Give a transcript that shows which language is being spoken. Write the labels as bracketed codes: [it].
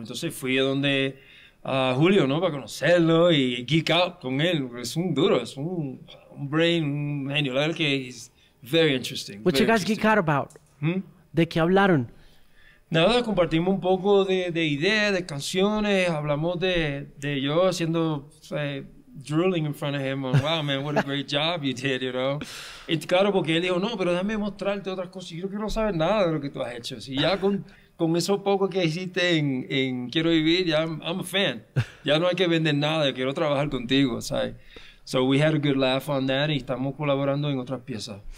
[es] Entonces fui a donde a Julio, ¿no? Para conocerlo y [en] geek out [es] con él. Es un duro, es un brain, un genio. La verdad que es [en] very interesting. What you guys geek out about? [es] ¿De qué hablaron? Nada, compartimos un poco de ideas, de canciones. Hablamos de yo haciendo... [en] drooling in front of him, wow, man, what a great job you did, you know. [es] Y claro, porque él dijo, no, pero déjame mostrarte otras cosas. Yo creo que no sabes nada de lo que tú has hecho. Y ya con eso poco que hiciste en Quiero Vivir, ya [en] I'm a fan. [es] Ya no hay que vender nada, yo quiero trabajar contigo, ¿sabes? [en] So we had a good laugh on that [es] y estamos colaborando en otras piezas.